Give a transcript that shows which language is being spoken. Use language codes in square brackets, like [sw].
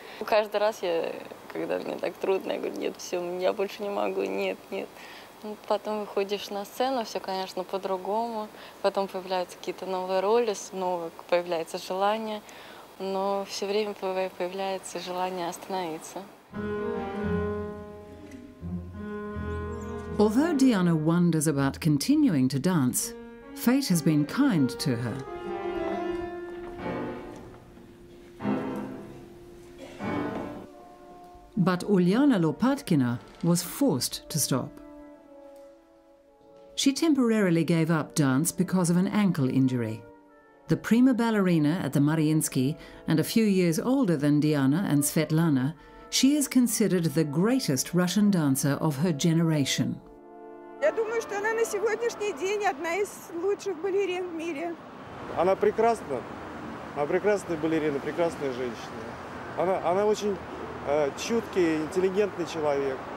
[ru] Каждый раз я, когда мне так трудно, я говорю, нет, все, я больше не могу, нет, нет. Ну, потом выходишь на сцену, все, конечно, по-другому. Потом появляются какие-то новые роли, снова появляется желание, но все время появляется желание остановиться. [en] Although Diana wonders about continuing to dance, fate has been kind to her. But Ulyana Lopatkina was forced to stop. She temporarily gave up dance because of an ankle injury. The prima ballerina at the Mariinsky, and a few years older than Diana and Svetlana, she is considered the greatest Russian dancer of her generation. [ru] Я думаю, что она на сегодняшний день одна из лучших балерин в мире. Она прекрасна. Она прекрасная балерина, прекрасная женщина. Она очень чуткий, интеллигентный человек.